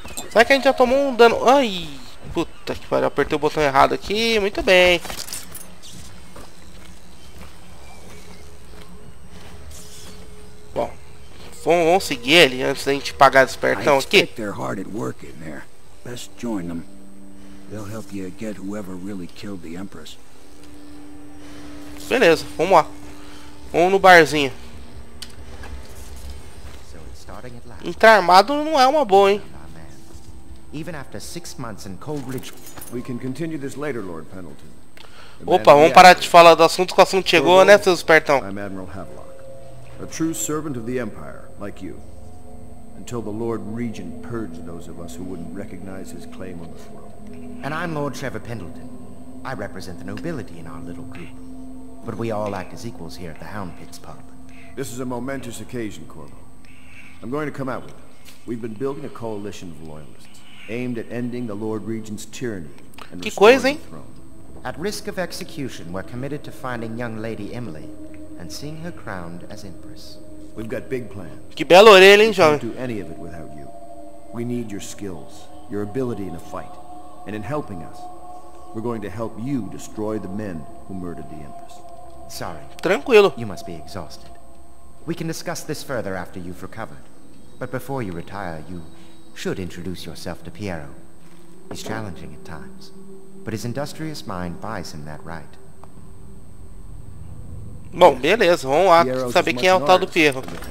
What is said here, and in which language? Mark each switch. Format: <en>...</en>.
<pt>Será que a gente já tomou um dano? Ai, puta que pariu. Apertei o botão errado aqui. Muito bem. Vamos seguir ele antes da gente pagar despertão aqui.</pt> <en>Their hard at work in there. Best join them. They'll help you get whoever really killed the Empress.</en> <pt>Beleza, vamos lá. Vamos no barzinho. So entrar armado não é uma boa, hein?</pt> <en>Even after 6 months in Coldridge, we can continue this later, Lord Pendleton.</en> <pt>Opa, vamos parar de falar do assunto, que o assunto chegou, né, seu espertão?</pt> <en>I'm Admiral Havelock, a true servant of the Empire. Like you, until the Lord Regent purged those of us who wouldn't recognize his claim on the throne. And I'm Lord Trevor Pendleton. I represent the nobility in our little group. But we all act as equals here at the Hound Pits pub. This is a momentous occasion, Corvo. I'm going to come out with it. We've been building a coalition of loyalists, aimed at ending the Lord Regent's tyranny and restoring the throne. At risk of execution, we're committed to finding young Lady Emily and seeing her crowned as Empress. We've got big plans.</en> <pt>Que bela orelha, hein, jovem?</pt> <en>We can't do any of it without you. We need your skills, your ability in a fight. And in helping us, we're going to help you destroy the men who murdered the Empress. Sorry.</en> <pt>Tranquilo.</pt> <en>You must be exhausted. We can discuss this further after you've recovered. But before you retire, you should introduce yourself to Piero. He's challenging at times, but his industrious mind buys him that right.</en> <pt>Bom, beleza, vamos lá saber quem é o tal do Pierro.</pt>